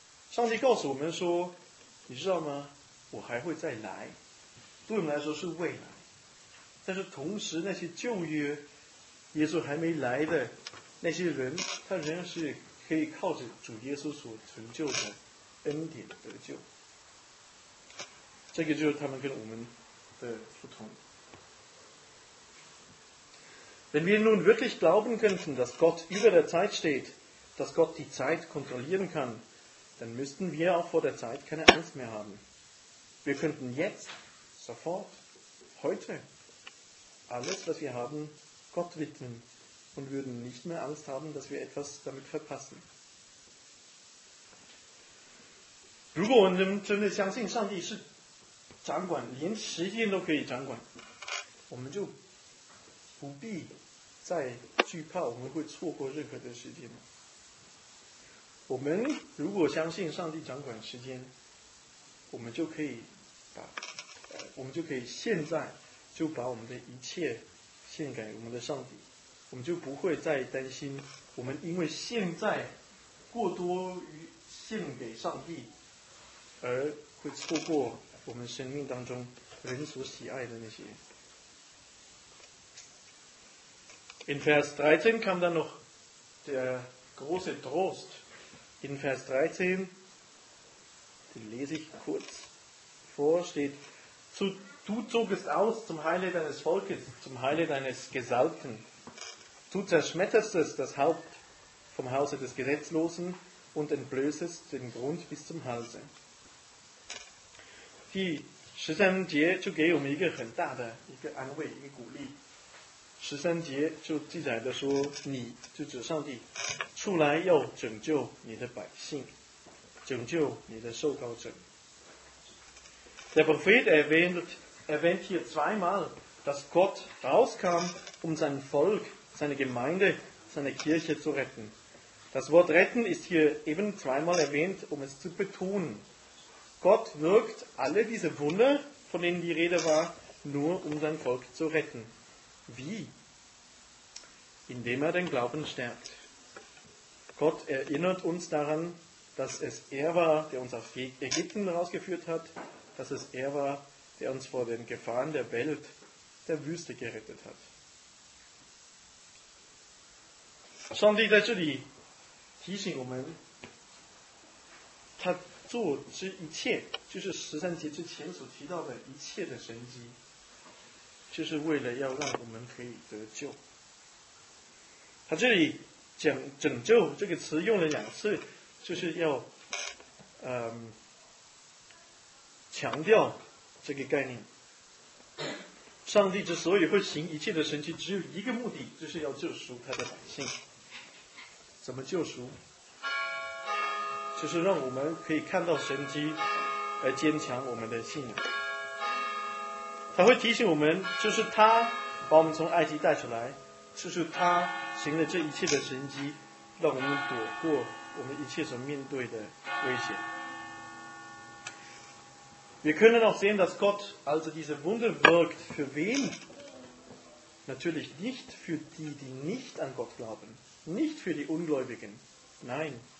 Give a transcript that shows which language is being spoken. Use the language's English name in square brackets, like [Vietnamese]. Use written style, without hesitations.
[Chinese] 上帝告诉我们说，你知道吗，我还会再来，对我们来说是未来，但是同时那些旧约耶稣还没来的那些人，他仍然是可以靠着主耶稣所成就的恩典得救。这个就是他们跟我们的不同。 [German] Wenn wir nun wirklich glauben könnten, dass Gott über der Zeit steht, dass Gott die Zeit kontrollieren kann, dann müssten wir auch vor der Zeit keine Angst mehr haben. Wir könnten jetzt, sofort, heute, alles, was wir haben, Gott widmen und würden nicht mehr Angst haben, dass wir etwas damit verpassen. Wenn wir wirklich glauben, dass Gott über der Zeit kontrollieren kann, dann müssten wir auch vor der Zeit keine Angst mehr haben. [Chinese] 再惧怕我们会错过任何的时间，我们如果相信上帝掌管时间，我们就可以把我们就可以现在就把我们的一切献给我们的上帝，我们就不会再担心我们因为现在过多于献给上帝而会错过我们生命当中人所喜爱的那些。 [German] In Vers 13 kam dann noch der große Trost. In Vers 13, den lese ich kurz vor, steht, du zogest aus zum Heile deines Volkes, zum Heile deines Gesalbten. Du zerschmetterstest das Haupt vom Hause des Gesetzlosen und entblößest den Grund bis zum Halse. Die 13. [Chinese] 节就给我们一个很大的一个安慰，一个鼓励。十三节就记载的说，你就指上帝出来要拯救你的百姓，拯救你的受膏者。 [German] Der Prophet erwähnt hier zweimal, dass Gott rauskam, um sein Volk, seine Gemeinde, seine Kirche zu retten. Das Wort retten ist hier eben zweimal erwähnt, um es zu betonen. Gott wirkt alle diese Wunder, von denen die Rede war, nur um sein Volk zu retten. Wie? Indem er den Glauben stärkt. Gott erinnert uns daran, dass es er war, der uns aus Ägypten rausgeführt hat, dass es er war, der uns vor den Gefahren der Welt, der Wüste gerettet hat. Schauen Sie, dass die [English] Teaching Woman [German] hat so ein Tier, das ist [Chinese] 13节之前所提到的一切的神迹。就是为了要让我们可以得救。他这里讲拯救这个词用了两次，就是要强调这个概念。上帝之所以会行一切的神迹，只有一个目的，就是要救赎他的百姓。怎么救赎？就是让我们可以看到神迹，而坚强我们的信仰。他会提醒我们，就是他把我们从埃及带出来，就是他行了这一切的神迹，让我们躲过我们一切所面对的危险。 [German] Wir können auch sehen, dass Gott also diese Wunder wirkt. Für wen? Natürlich nicht für die, die nicht an Gott glauben. Nicht für die Ungläubigen. Nein.